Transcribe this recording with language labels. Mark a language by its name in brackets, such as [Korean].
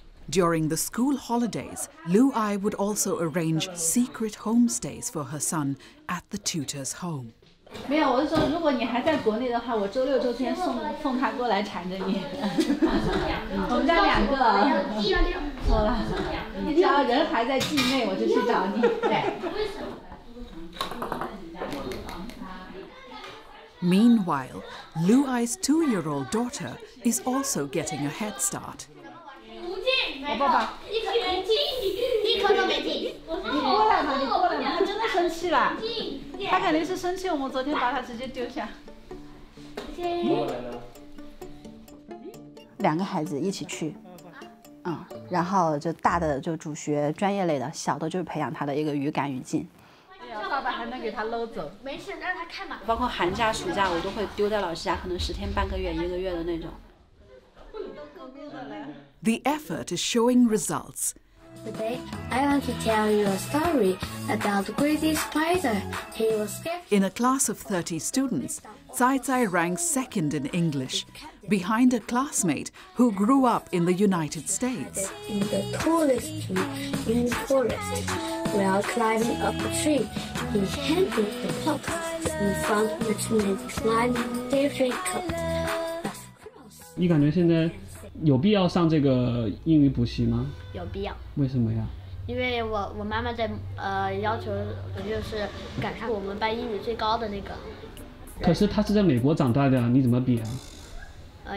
[English] During the school holidays, Lu Ai would also arrange secret homestays for her son at the tutor's home. [Chinese] 没有，我是说，如果你还在国内的话，我周六周天送他过来缠着你。我们家两个，错了，只要人还在境内，我就去找你。 [English] Meanwhile, Lu Ai's two-year-old daughter is also getting a head start. [Chinese] 不见，我爸爸，一颗没听，一颗都没听。你过来嘛，你过来嘛，他真的生气了。他肯定是生气，我们昨天把他直接丢下。两个孩子一起去，然后就大的就主学专业类的，小的就是培养他的一个语感语境。爸爸还能给他搂走，没事，让他看嘛。包括寒假、暑假，我都会丢在老师家，可能十天、半个月、一个月的那种。 [English] The effort is showing results. Today, I want to tell you a story about the crazy spider. He was scared. In a class of 30 students, Cai Cai ranks second in English, behind a classmate who grew up in the United States. In the tallest tree in the forest, while climbing up a tree, he handled the pot and found which meant climbing difficult. [Chinese] 你感觉现在有必要上这个英语补习吗？有必要。为什么呀？因为我妈妈在要求就是赶上我们班英语最高的那个。可是他是在美国长大的，你怎么比啊？